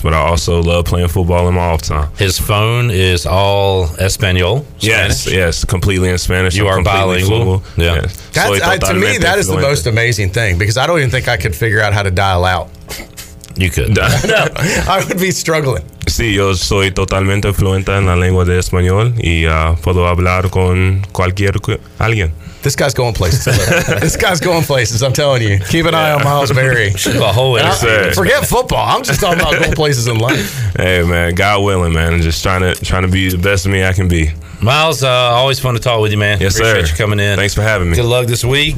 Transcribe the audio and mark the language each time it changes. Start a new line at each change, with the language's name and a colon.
English: But I also love playing football in my off time. His phone is all Espanol. Yes, completely in Spanish. You are bilingual. To me, that is the most amazing thing, because I don't even think I could figure out how to dial out. You could. No, I would be struggling.
Spanish: Sí, yo soy totalmente fluente en la lengua de español y puedo hablar con cualquier alguien.
English: This guy's going places. This guy's going places, I'm telling you. Keep an eye on Miles Berry. Forget football. I'm just talking about going places in life. Hey, man, God willing, man. I'm just trying to be the best of me I can be. Miles, always fun to talk with you, man. Yes, sir. Appreciate you coming in. Thanks for having me. Good luck this week.